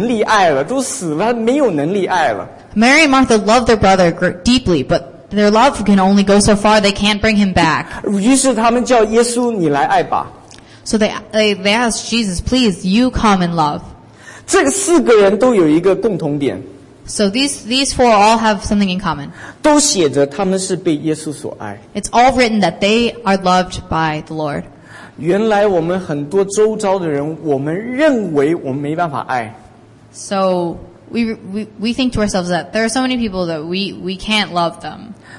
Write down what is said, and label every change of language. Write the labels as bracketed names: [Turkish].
[Chinese] 然后马大、玛利亚爱他弟弟爱到一个地步，但是他没有能力爱了，都死了，没有能力爱了。 [English] Mary and Martha love their brother deeply, but their love can only go so far, they can't bring him back. [Chinese] 于是他们叫耶稣你来爱吧。 [English] So they asked Jesus, please, you come and love. [Chinese] 这四个人都有一个共同点。 [English] So these four all have something in common. [Chinese] 都写着他们是被耶稣所爱。 [English] It's all written that they are loved by the Lord. [Chinese] 原来我们很多周遭的人，我们认为我们没办法爱。 [English] So We think to ourselves that there are so many people that we can't love them.